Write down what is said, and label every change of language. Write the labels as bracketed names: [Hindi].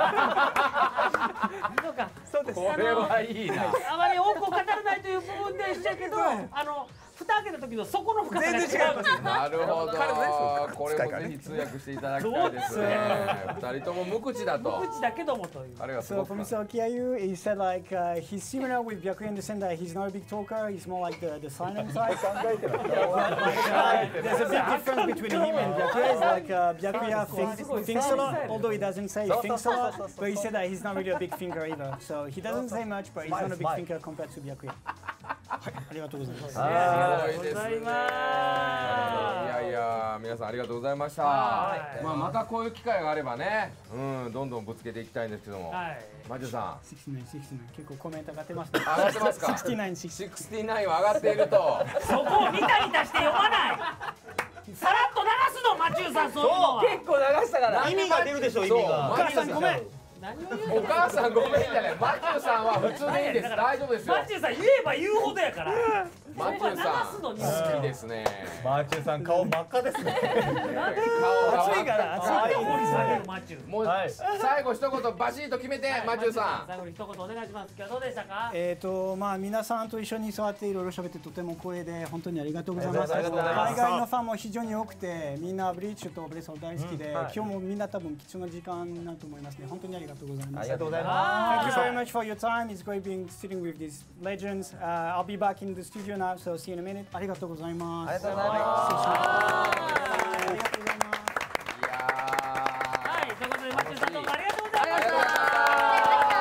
[Japanese] そうか、そうです、これはいいな、あまり多くを語らないという部分でしたけど、あの蓋開けた時の底の深さが全然違う、なるほど、彼もね、これもぜひ通訳していただきたいですね二人とも無口だと、無口だけどもという、あれがすごく、 [English] So, Mr. Okiayu, he said like, he's similar with Byakuya in the sense that he's not a big talker, he's more like the silent type There's a big difference between him and Byakuya, is like, Byakuya thinks a lot, although he doesn't say he thinks a lot, but he said that he's not really a big thinker either, so he doesn't say much, but he's not a big thinker compared to Byakuya [Japanese] はい、ありがとうございます、あすごいですね、ございます、いやいや皆さんありがとうございました、あ、はい、まあ、またこういう機会があればね、うん、どんどんぶつけていきたいんですけども、はい、マジュさん 69、69、結構コメント上がってます、ね、上がってますか69、69は上がっているとそこをニタニタして読まないさらっと流すの、マジュさん、そういうのは、そう、結構流したから意味が出るでしょ、意味が、お母さんごめん、お母さんごめんじゃない、マチューさんは普通でいいです、大丈夫ですよ、マチューさん言えば言うほどやからマチューさん好きですね、マチューさん顔真っ赤ですね顔が熱いから、熱いよ、掘り下げるマチュー、はい、最後一言バシッと決めて、はい、マチューさん最後に一言お願いします、今日どうでしたか、まあ、皆さんと一緒に座っていろいろ喋ってとても光栄で本当にありがとうございます、ありがとうございます、海外のファンも非常に多くてみんなブリーチとブレスを大好きで、うん、はい、今日もみんな多分貴重な時間だと思いますね、本当にありがとうございます、ありがとうございます、 [English] Thank you very much for your time, it's great being sitting with these legends, I'll be back in the studio now, so see you in a minute, [Japanese] ありがとうございます、ありがとうございます、ありがとうございます、はい、ということでマッチュさんどうもありがとうございました、